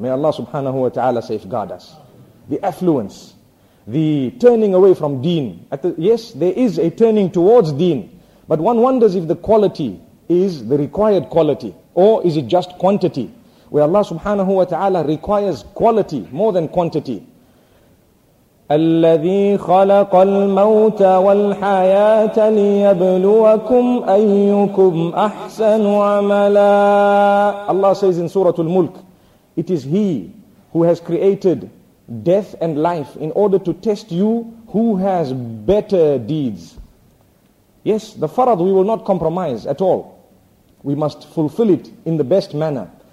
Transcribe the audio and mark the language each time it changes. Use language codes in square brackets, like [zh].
[en] May Allah subhanahu wa ta'ala safeguard us. The affluence, the turning away from deen. Yes, there is a turning towards deen. But one wonders if the quality is the required quality. Or is it just quantity? Where Allah subhanahu wa ta'ala requires quality more than quantity. [ar] الذي خلق الموت والحياة ليبلوكم أيكم أحسن عملا. [en] Allah says in Surah Al-Mulk, it is He who has created death and life in order to test you who has better deeds. Yes, the farad we will not compromise at all. We must fulfill it in the best manner.